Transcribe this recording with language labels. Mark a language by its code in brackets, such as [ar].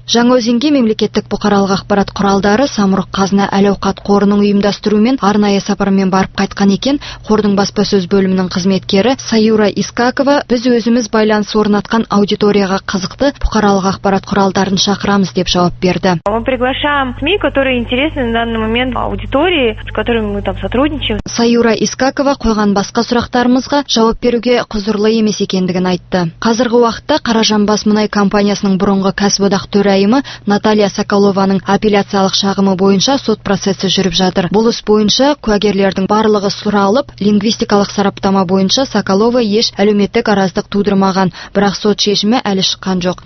[kk] Жаңаөзенге мемлекеттік бұқаралық ақпарат құралдары Самұрық-Қазына әл-ауқат қорының ұйымдастыруымен арнайы сапармен барып қайтқан екен. Қордың баспасөз бөлімінің қызметкері Саюра Искакова, біз өзіміз байланыс орнатқан аудиторияға қызықты бұқаралық ақпарат құралдарын шақырамыз деп жауап берді. [ru] Мы приглашаем СМИ, которые интересны на данный момент аудитории, с которыми мы там сотрудничаем. [kk] Саюра Искакова қойған басқа сұрақтарымызға жауап беруге құзырлы емес екендігін айтты. Қазіргі уақытта Қаражанбас мұнай компаниясының бұрынғы кәсіподақ төрайымы Наталья Соколованың апелляциялық шағымы бойынша сот процесі жүріп жатыр. Бұл іс бойынша куәгерлердің барлығы сұралып, лингвистикалық сараптама бойынша Соколова еш әлеуметтік араздық тудырмаған, бірақ сот шешімі әлі шыққан жоқ.